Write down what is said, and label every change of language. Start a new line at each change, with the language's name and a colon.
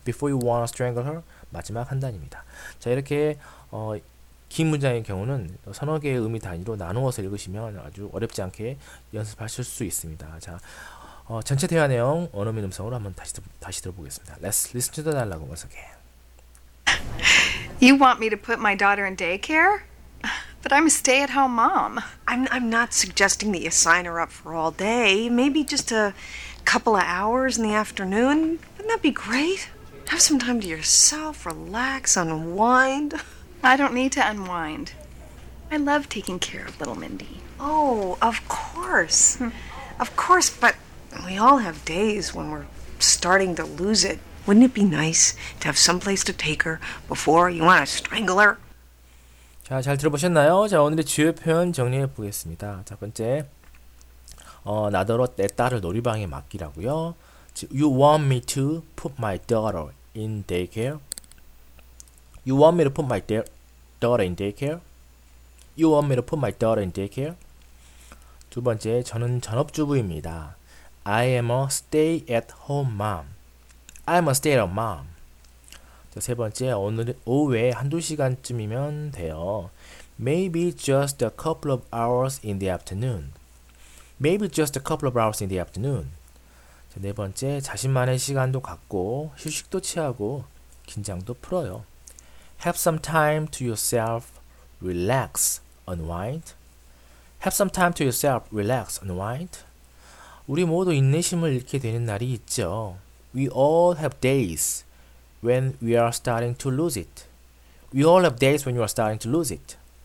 English: Before you want to strangle her,
Korean: 마지막 한단입니다. 자, 이렇게 긴 문장의 경우는 서너 개의 음이 단위로 나누어서 읽으시면 아주 어렵지 않게 연습하실 수 있습니다. 자, 전체 대화 내용 원어민 음성으로 한번 다시 들어보겠습니다.
English: Let's listen to the dialogue once again. You want me to put my daughter in daycare? But I'm a stay-at-home mom. I'm not suggesting that you sign her up for all day. Maybe just a couple of hours in the afternoon. Wouldn't that be great? Have some time to yourself, relax, unwind. I don't need to unwind. I love taking care of little Mindy. Oh, of course. Of course, but we all have days when we're starting to lose it. Wouldn't it be nice to have some place to take her before you want to strangle her?
Korean: 자, 잘 들어보셨나요? 자, 오늘의 주요 표현 정리해 보겠습니다. 첫 번째, 나더러 내 딸을 놀이방에 맡기라고요.
English: You want me to put my daughter in daycare? You want me to put my daughter in daycare? You want me to put my daughter in daycare?
Korean: 두 번째, 저는 전업주부입니다.
English: I am a stay-at-home mom. I'm a stay-at-home mom.
Korean: 자, 세 번째, 오늘 오후에 한두 시간쯤이면 돼요.
English: Maybe just a couple of hours in the afternoon. Maybe just a couple of hours in the afternoon.
Korean: 자, 네 번째, 자신만의 시간도 갖고 휴식도 취하고 긴장도 풀어요.
English: Have some time to yourself, relax, unwind. Have some time to yourself, relax, unwind.
Korean: 우리 모두 인내심을 잃게 되는 날이 있죠.
English: We all have days when we are starting to lose it. We all have days when you are starting to lose it.